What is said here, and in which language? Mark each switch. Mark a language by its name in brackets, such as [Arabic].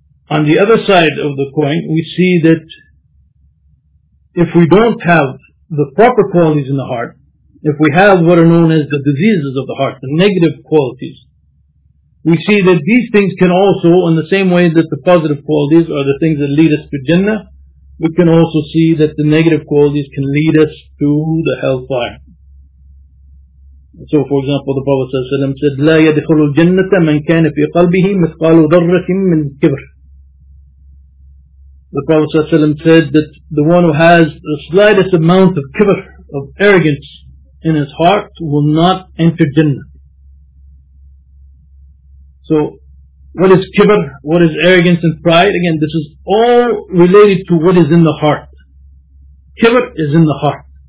[English] On the other side of the coin, we see that if we don't have the proper qualities in the heart, if we have what are known as the diseases of the heart, the negative qualities, we see that these things can also, in the same way that the positive qualities are the things that lead us to Jannah, we can also see that the negative qualities can lead us to the hellfire. So, for example, the Prophet ﷺ said, [Arabic] لا يدخل الجنة من كان في قلبه مثقال ذرة من كبر. [English] The Prophet ﷺ said that the one who has the slightest amount of kibr, of arrogance in his heart, will not enter Jannah. So, what is kibr? What is arrogance and pride? Again, this is all related to what is in the heart. Kibr is in the heart.